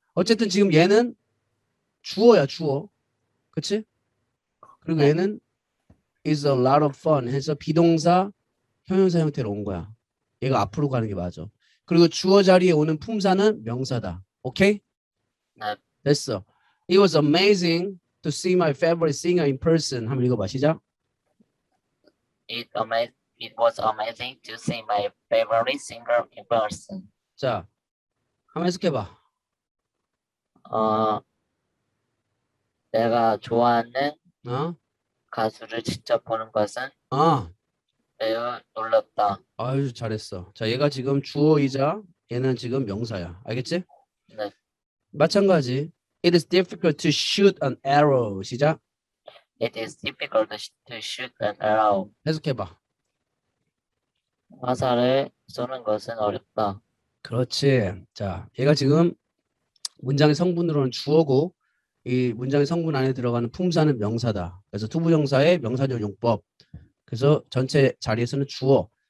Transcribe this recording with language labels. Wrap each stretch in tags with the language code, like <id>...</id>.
<ko>어쨌든 지금 얘는 주어야, 주어. 그치? 그리고 얘는</ko> <en>is a lot of fun</en> <ko>해서 비동사 형용사 형태로 온 거야. 얘가 앞으로 가는 게 맞아. 그리고 주어 자리에 오는 품사는 명사다. 오케이? 됐어.</ko> <en>It was amazing to see my favorite singer in person.</en> <ko>한번 읽어봐, 시작.</ko> <en>It was amazing to see my favorite singer in person.</en> <ko>자, 한번 해석해봐. 내가 좋아하는 어? 가수를 직접 보는 것은 아. 매우 놀랍다. 아주 잘했어. 자, 얘가 지금 주어이자 얘는 지금 명사야. 알겠지? 네. 마찬가지.</ko> <en>It is difficult to shoot an arrow.</en> <ko>시작.</ko> <en>It is difficult to shoot an arrow.</en> <ko>해석해봐. 화살을 쏘는 것은 어렵다. 그렇지. 자, 얘가 지금 문장의 성분으로는 주어고 이 문장의 성분 안에 들어가는 품사는 명사다. 그래서 투부정사의 명사적 용법. 그래서 전체 자리에서는 주어.</ko>